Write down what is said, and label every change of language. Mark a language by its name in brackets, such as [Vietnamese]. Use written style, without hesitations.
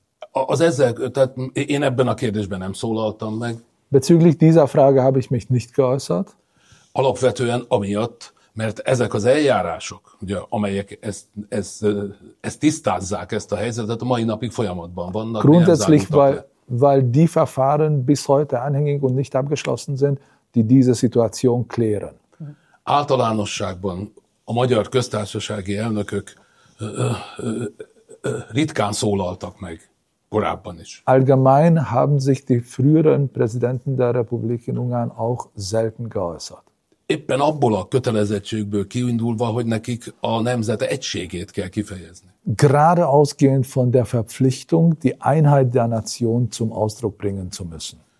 [Hungarian] Az ezzel, tehát én ebben a kérdésben nem szólaltam meg. [German] Bezüglich dieser Frage habe ich mich nicht geäußert. [Hungarian] Alapvetően amiatt, mert ezek az eljárások, ugye, amelyek ezt tisztázzák, ezt a helyzetet, a mai napig folyamatban vannak. [German] Grundsätzlich, weil die Verfahren bis heute anhängig und nicht abgeschlossen sind, die diese Situation klären. [Hungarian] Általánosságban a magyar köztársasági elnökök ritkán szólaltak meg. [German] Allgemein haben sich die früheren Präsidenten der Republik in Ungarn auch selten geäußert. [Hungarian] Éppen abból a kötelezettségből kiindulva, hogy nekik a nemzet egységét kell kifejezni. [German] Gerade ausgehend von der Verpflichtung, die Einheit der Nation zum Ausdruck bringen zu müssen.